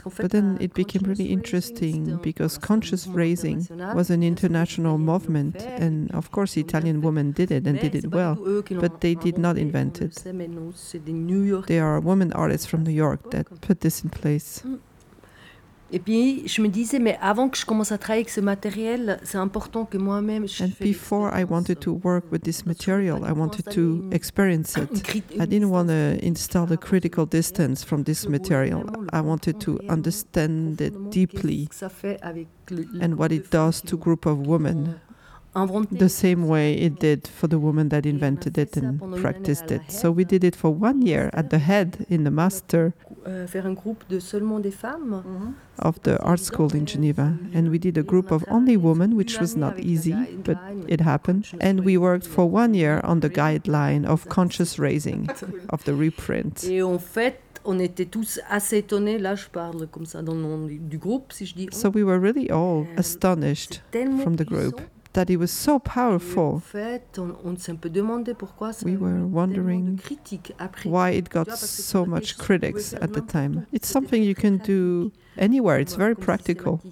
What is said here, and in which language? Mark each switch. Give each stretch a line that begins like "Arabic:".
English: But then it became really interesting because conscious raising was an international movement. And of course, Italian women did it and did it well. But they did not invent it. They are women artists from New York that put this in place.
French: Et puis je me disais, mais avant que je commence à travailler avec ce matériel, c'est important que moi-même je
English: And before I wanted to work with this material, I wanted to experience it. I didn't want to install a critical distance from this material. I wanted to understand it deeply and what it does to a group of women. The same way it did for the woman that invented it and practiced it. So we did it for 1 year at the head in the master of the art school in Geneva. And we did a group of only women, which was not easy, but it happened. And we worked for 1 year on the guideline of conscious raising of the reprint.
French: On était tous assez étonnés. Là, je parle comme ça dans le nom du groupe, si je dis.
English: So we were really all astonished from the group. That it was so powerful. We were wondering why it got so much critics at the time. It's something you can do anywhere. It's very practical.